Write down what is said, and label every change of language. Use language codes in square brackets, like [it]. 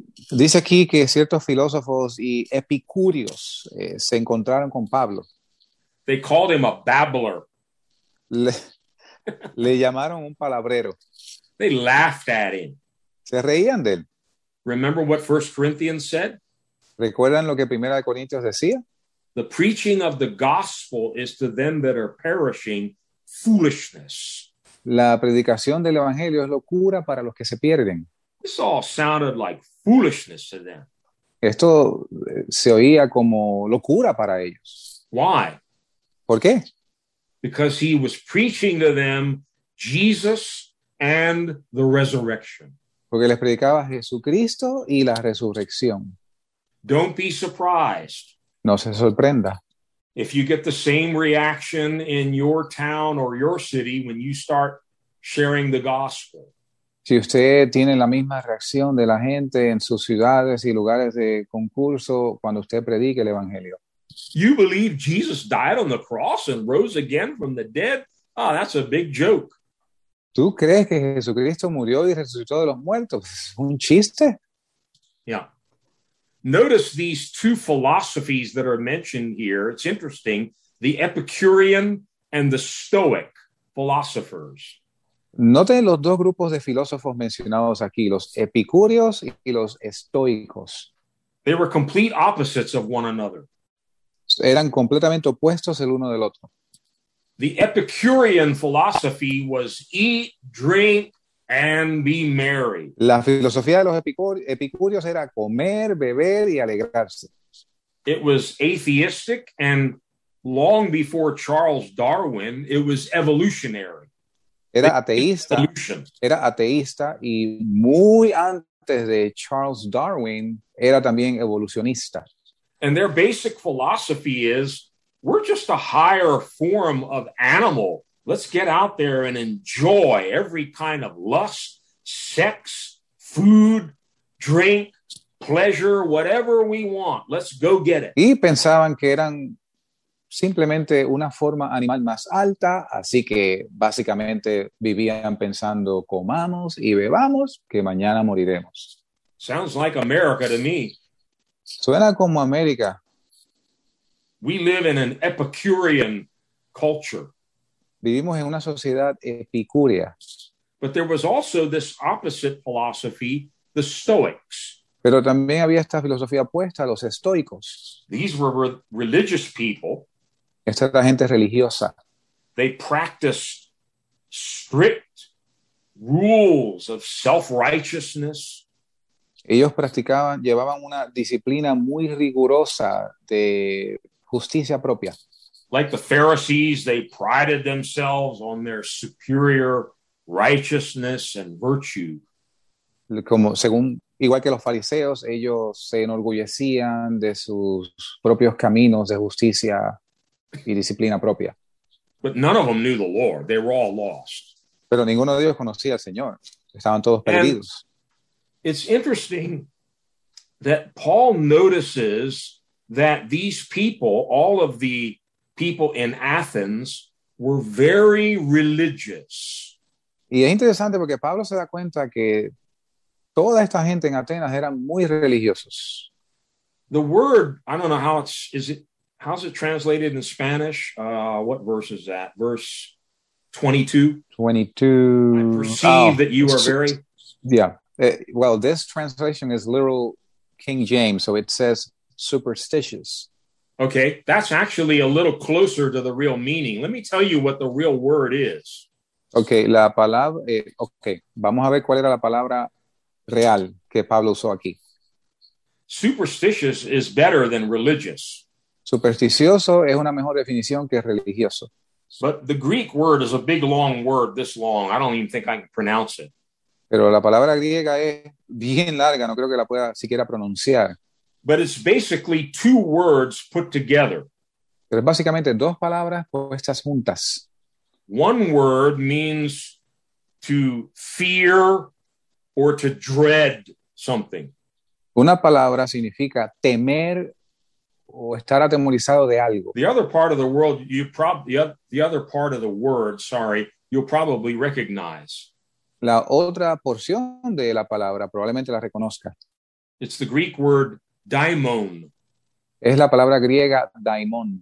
[es] Dice aquí que ciertos filósofos y epicúreos se encontraron con Pablo. [en] They called him a babbler. [es] Le llamaron un palabrero. [en] They laughed at him. [es] Se reían de él. [en] Remember what 1 Corinthians said? [es] ¿Recuerdan lo que 1 Corintios decía? [en] The preaching of the gospel is to them that are perishing foolishness. [es] La predicación del evangelio es locura para los que se pierden. [en] This all sounded like foolishness to them. [es] Esto se oía como locura para ellos. [en] Why? [es] ¿Por qué? [en] Because he was preaching to them Jesus and the resurrection. [es] Porque les predicaba Jesucristo y la resurrección. [en] Don't be surprised. [es] No se sorprenda. [en] If you get the same reaction in your town or your city when you start sharing the gospel. [es] Si usted tiene la misma reacción de la gente en sus ciudades y lugares de concurso cuando usted predique el evangelio. [en] You believe Jesus died on the cross and rose again from the dead? Oh, that's a big joke. [es] ¿Tú crees que Jesucristo murió y resucitó de los muertos? ¿Es un chiste? [en] Yeah. Notice these two philosophies that are mentioned here. It's interesting. The Epicurean and the Stoic philosophers. [es] Noten los dos grupos de filósofos mencionados aquí, los epicúreos y los estoicos. [en] They were complete opposites of one another. [es] Eran completamente opuestos el uno del otro. [en] The Epicurean philosophy was eat, drink, and be merry. [es] La filosofía de los epicúreos era comer, beber y alegrarse. [en] It was atheistic, and long before Charles Darwin, it was evolutionary. [es] Era ateísta. [en] Evolution. [es] Era ateísta y muy antes de Charles Darwin era también evolucionista. [en] And their basic philosophy is, we're just a higher form of animal. Let's get out there and enjoy every kind of lust, sex, food, drink, pleasure, whatever we want. Let's go get it. [es] Y pensaban que eran simplemente una forma animal más alta, así que básicamente vivían pensando, comamos y bebamos, que mañana moriremos. [en] Sounds like America to me. [es] Suena como América. [en] We live in an Epicurean culture. [es] Vivimos en una sociedad epicúrea. [en] But there was also this opposite philosophy, the Stoics. [es] Pero también había esta filosofía opuesta, los estoicos. [en] These were religious people. [es] Esta era gente religiosa. [en] They practiced strict rules of self-righteousness. [es] Ellos practicaban, llevaban una disciplina muy rigurosa de justicia propia. [en] Like the Pharisees, they prided themselves on their superior righteousness and virtue. [es] Como, según Igual que los fariseos, ellos se enorgullecían de sus propios caminos de justicia y disciplina propia. [en] But none of them knew the Lord. They were all lost. [es] Pero ninguno de ellos conocía al Señor. Estaban todos [en] And [es] perdidos. [en] it's interesting that Paul notices that these people, all of the people in Athens, were very religious. [es] Y es interesante porque Pablo se da cuenta que toda esta gente en Atenas eran muy religiosos. [en] The word, I don't know how it's, is it? How's it translated in Spanish? What verse is that? Verse 22. I 22. perceive that you are very. Well, this translation is literal King James, so it says superstitious. Okay, that's actually a little closer to the real meaning. Let me tell you what the real word is. [es] Okay, la palabra. Okay, vamos a ver cuál era la palabra real que Pablo usó aquí. [en] Superstitious is better than religious. [es] Supersticioso es una mejor definición que religioso. [en] But the Greek word is a big long word this long. I don't even think I can pronounce it. [es] Pero la palabra griega es bien larga, no creo que la pueda siquiera pronunciar. [en] But it's basically two words put together. [es] Pero es básicamente dos palabras puestas juntas. [en] One word means to fear or to dread something. [es] Una palabra significa temer o estar atemorizado de algo. [en] The other part of the world, you prob the other part of the word, sorry, you'll probably recognize. [es] La otra porción de la palabra probablemente la reconozca. [en] It's the Greek word daimon. [es] Es la palabra griega daimón.